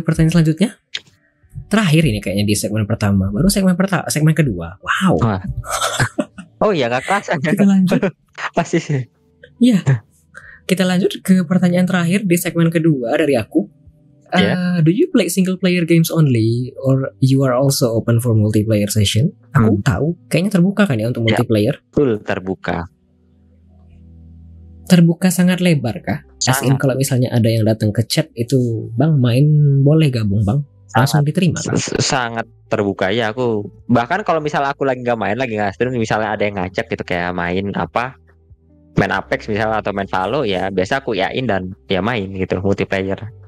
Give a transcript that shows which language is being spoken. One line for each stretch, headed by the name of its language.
Indonesian: Ke pertanyaan selanjutnya. Terakhir ini kayaknya di segmen pertama, baru segmen kedua. Wow. Oh iya, enggak kerasa. Kita lanjut. Pasti sih. Iya. Kita lanjut ke pertanyaan terakhir di segmen kedua dari aku.
English: Yeah. Do you play single player games only or you are also open for multiplayer session?
Indonesian: Aku tahu, kayaknya terbuka kan ya untuk multiplayer? Betul, terbuka. Terbuka sangat lebar kah? Sangat. Kalau misalnya ada yang datang ke chat itu, "Bang, main boleh gabung, Bang?" langsung diterima. Sangat terbuka ya aku. Bahkan kalau misal aku lagi nggak main, lagi nggak stream, misalnya ada yang ngajak gitu kayak main apa, main Apex misalnya atau main Valo, ya biasa aku yakin dan ya main gitu multiplayer.